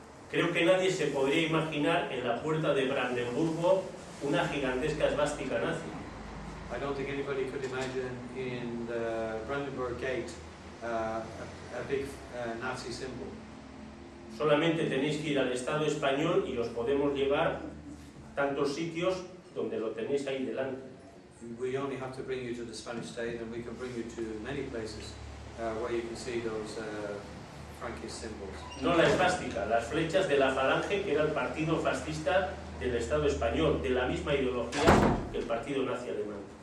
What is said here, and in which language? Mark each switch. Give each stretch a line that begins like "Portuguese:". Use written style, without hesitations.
Spanish: Creo que nadie se podría imaginar en la puerta de Brandenburgo una gigantesca esvástica nazi.
English: I don't think anybody could imagine in the Brandenburg Gate a big Nazi symbol.
Spanish: Solamente tenéis que ir al Estado español y os podemos llevar tantos sitios donde lo tenéis ahí delante.
English: We only have to bring you to the Spanish state and we can bring you to many places where you can see those Frankist symbols.
Spanish: No la esvástica, las flechas de la Falange, que era el partido fascista del Estado español, de la misma ideología que el partido nazi alemán.